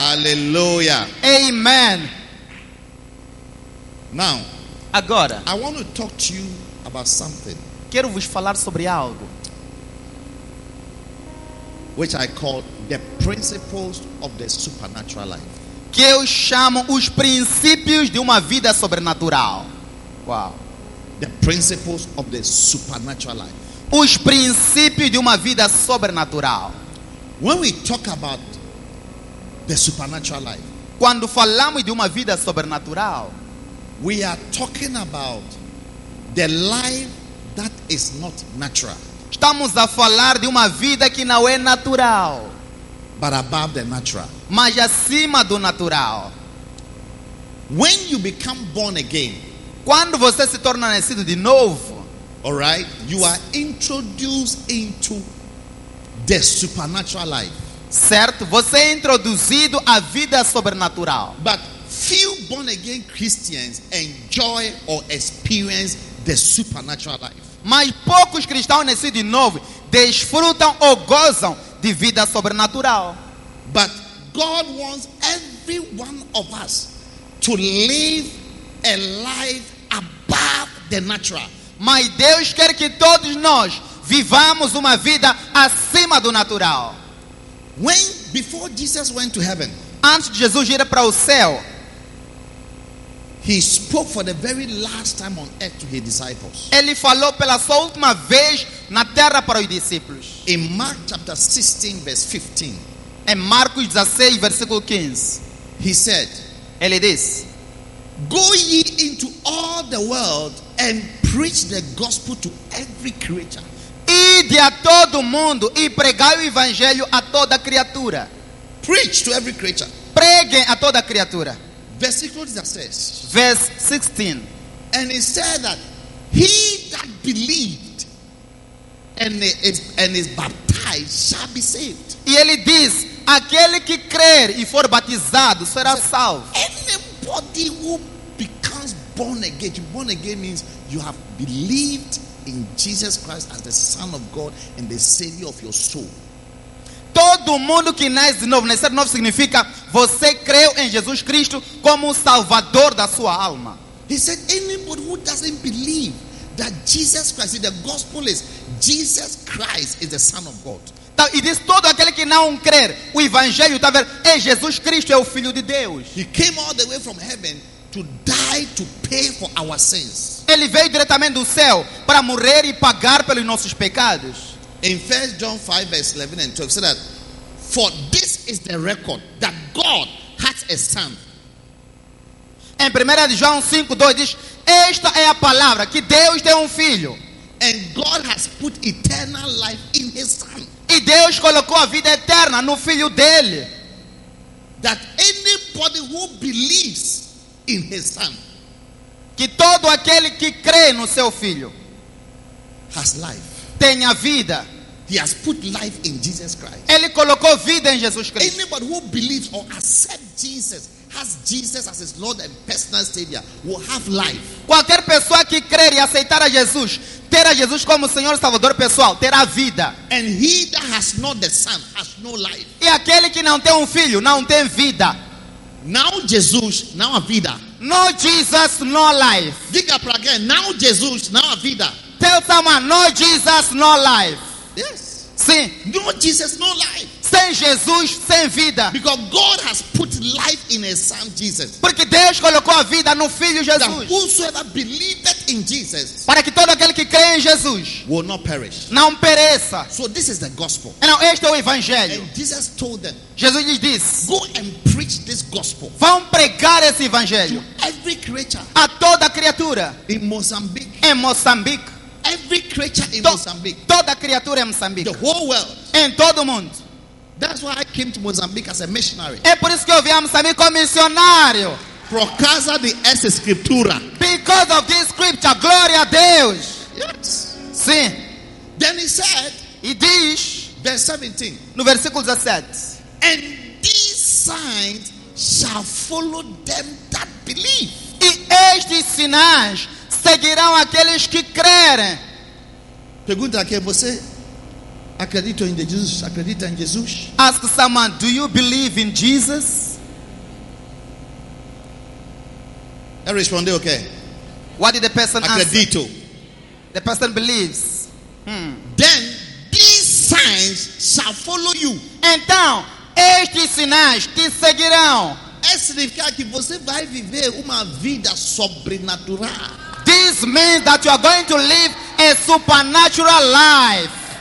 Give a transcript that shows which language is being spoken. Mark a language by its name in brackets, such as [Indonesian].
[English] Hallelujah. Amen. Now, [Portuguese] agora, [English] I want to talk to you about something. [Portuguese] Quero vos falar sobre algo. [English] Which I call the principles of the supernatural life. [Portuguese] Que eu chamo os princípios de uma vida sobrenatural. [English] Wow. The principles of the supernatural life. [Portuguese] Os princípios de uma vida sobrenatural. [English] When we talk about the supernatural life, [Portuguese] quando falamos de uma vida sobrenatural, [English] we are talking about the life that is not natural. [Portuguese] Estamos a falar de uma vida que não é natural. [English] But above the natural. [Portuguese] Mas acima do natural. [English] When you become born again, [Portuguese] quando você se torna nascido de novo, [English] all right, you are introduced into the supernatural life. [Portuguese] Certo, você é introduzido à vida sobrenatural. [English] But few born again Christians enjoy or experience the supernatural life. [Portuguese] Mas poucos cristãos nascidos de novo desfrutam ou gozam de vida sobrenatural. [English] But God wants every one of us to live a life above the natural. [Portuguese] Mas Deus quer que todos nós vivamos uma vida acima do natural. [English] When before Jesus went to heaven, [Portuguese] antes de Jesus ir para o céu, [English] he spoke for the very last time on earth to his disciples. [Portuguese] Ele falou pela sua última vez na terra para os discípulos. [English] In Mark chapter 16 verse 15. [Portuguese] Em Marcos 16, versículo 15. [English] He said, [Portuguese] ele diz: [English] Go ye into all the world and preach the gospel to every creature. [Portuguese] Ide a todo mundo e pregai o evangelho a toda criatura. [English] Preach to every creature. [Portuguese] Preguem a toda criatura. Versículo 16. [English] Verse 16. And he said that he that believed and is baptized shall be saved. [Portuguese] E ele diz: aquele que crer e for batizado será salvo. [English] Anybody who becomes born again means you have believed in Jesus Christ as the Son of God and the Savior of your soul. [Portuguese] Todo mundo que nasce de novo, nascer de novo significa você creu em Jesus Cristo como o Salvador da sua alma. [English] He said, anybody who doesn't believe that Jesus Christ, the gospel is Jesus Christ is the Son of God. [Portuguese] Então, e diz: todo aquele que não crer, o evangelho está vendo, é Jesus Cristo, é o Filho de Deus. [English] He came all the way from heaven to die to pay for our sins. [Portuguese] Ele veio diretamente do céu para morrer e pagar pelos nossos pecados. [English] In 1 John 5, verse 11 and 12, say that, for this is the record that God has a son. [Portuguese] Em 1 João 5, 2 diz: esta é a palavra, que Deus tem filho. [English] And God has put eternal life in his son. [Portuguese] E Deus colocou a vida eterna no filho dele. [English] That anybody who believes in his son, [Portuguese] que todo aquele que crê no seu filho, [English] has life. [Portuguese] Tem a vida. [English] He has put life in Jesus Christ. [Portuguese] Ele colocou vida em Jesus Cristo. [English] Anybody who believes or accepts Jesus, has Jesus as his Lord and personal Savior, will have life. [Portuguese] Qualquer pessoa que crer e aceitar a Jesus, terá Jesus como Senhor e Salvador pessoal, terá vida. [English] And he that has not the Son has no life. [Portuguese] E aquele que não tem filho não tem vida. Now Jesus, now a vida. [English] No Jesus, no life. [Portuguese] Diga para alguém: now Jesus, now a vida. [English] Tell someone: no Jesus, no life. Yes. [Portuguese] Sim. [English] No Jesus, no life. [Portuguese] Sem Jesus, sem vida. [English] Because God has put life in his son Jesus. [Portuguese] Porque Deus colocou a vida no filho Jesus. [English] That whosoever believed in Jesus, [Portuguese] para que todo aquele que crê em Jesus, [English] will not perish. [Portuguese] Não pereça. [English] So this is the gospel. [Portuguese] Então este é o evangelho. [English] And Jesus told them, [Portuguese] Jesus lhes disse: [English] go and preach this gospel. [Portuguese] Vão pregar esse evangelho [English] to every creature. [Portuguese] A toda criatura. [English] In Mozambique. [Portuguese] Em Moçambique. [English] Every creature in Mozambique. [Portuguese] Toda criatura em Moçambique. [English] The whole world. [Portuguese] Em todo mundo. [English] That's why I came to Mozambique as a missionary. [Portuguese] É por isso que eu vim a Moçambique como missionário. Por causa de essa escritura. [English] Because of this scripture, [Portuguese] glória a Deus. [English] Yes. [Portuguese] Sim. [English] Then he said, [Portuguese] e diz, [English] verse 17, [Portuguese] no versículo 17, [English] and these signs shall follow them that believe. [Portuguese] E estes sinais seguirão aqueles que crerem. Pergunta aqui: você acredita em Jesus? Acredita em Jesus? [English] Ask someone: do you believe in Jesus? [Portuguese] Eu respondi: ok. [English] What did the person [Portuguese] acredito. [English] Answer? [Portuguese] Acredito. [English] The person believes. Then these signs shall follow you. [Portuguese] Então estes sinais te seguirão. Isso significa que você vai viver uma vida sobrenatural. [English] This means that you are going to live a supernatural life.